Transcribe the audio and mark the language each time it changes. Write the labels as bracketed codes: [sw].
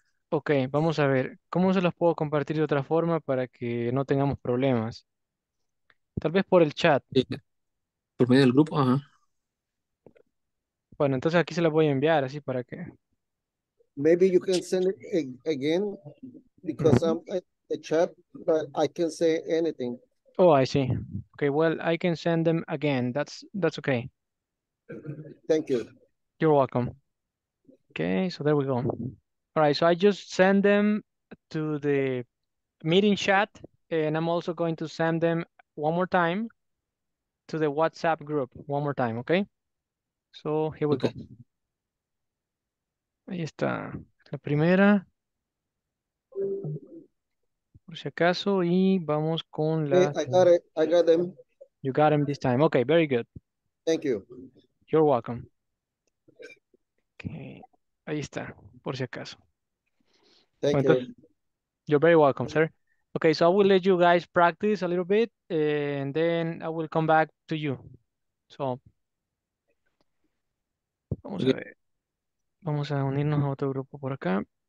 [es] Ok, vamos a ver, ¿cómo se los puedo compartir de otra forma para que no tengamos problemas? Tal vez por el chat. ¿Por medio del grupo? Ajá. Bueno, entonces aquí se los voy a enviar, así para que... [en] Maybe you can send it again, because I'm in the chat, but I can say anything. Oh, I see. Ok, well, I can send them again, that's okay. Thank you. You're welcome. Ok, so there we go. All right, so I just send them to the meeting chat, and I'm also going to send them one more time to the WhatsApp group, one more time, okay? So here we go. [es] Ahí está la primera. Por si acaso, y vamos con la... [en] I got it, I got them. You got them this time, okay, very good. Thank you. You're welcome. [es] Okay, ahí está, por si acaso. [en] Thank you. You're very welcome, sir. Okay, so I will let you guys practice a little bit and then I will come back to you. [es] So, vamos a ver. Vamos a unirnos a otro grupo por acá.